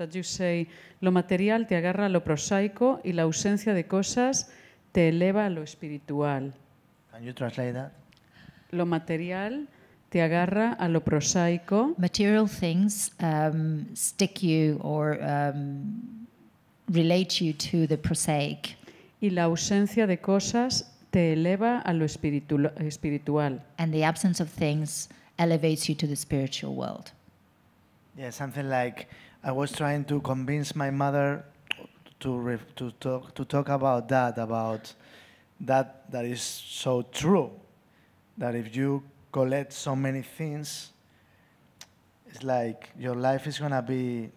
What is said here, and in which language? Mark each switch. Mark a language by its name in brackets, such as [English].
[English] That you say, [Spanish] lo material te agarra a lo prosaico y la ausencia de cosas te eleva a lo espiritual. [English] Can you translate that? [Spanish] Lo material te agarra a lo prosaico. [English] Material things stick you or relate you to the prosaic. [Spanish] Y la ausencia de cosas te eleva a lo espiritual. [English] And the absence of things elevates you to the spiritual world. Yeah, something like I was trying to convince my mother to talk about that is so true, that if you collect so many things, it's like your life is gonna be.